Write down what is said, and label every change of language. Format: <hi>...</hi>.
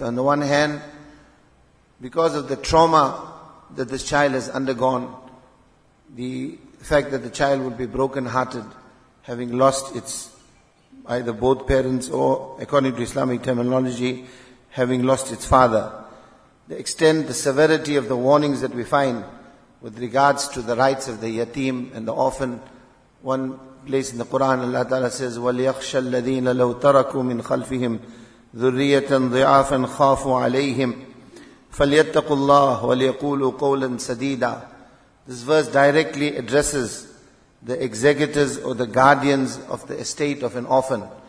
<en>On the one hand, because of the trauma that this child has undergone, the fact that the child would be broken-hearted, having lost its either both parents or, according to Islamic terminology, having lost its father. The extent, the severity of the warnings that we find with regards to the rights of the yatim and the orphan. One place in the Quran, Allah Ta'ala says,</en> <ar>وَلْيَخْشَ الَّذِينَ لَوْ تَرَكُوا مِنْ خَلْفِهِمْ ذُرِّيَّةً ضِعَافًا خَافُوا عَلَيْهِمْ فَلْيَتَّقُوا اللَّهُ وَلْيَقُولُوا قَوْلًا سَدِيدًا.</ar> <en>This verse directly addresses the executors or the guardians of the estate of an orphan.</en>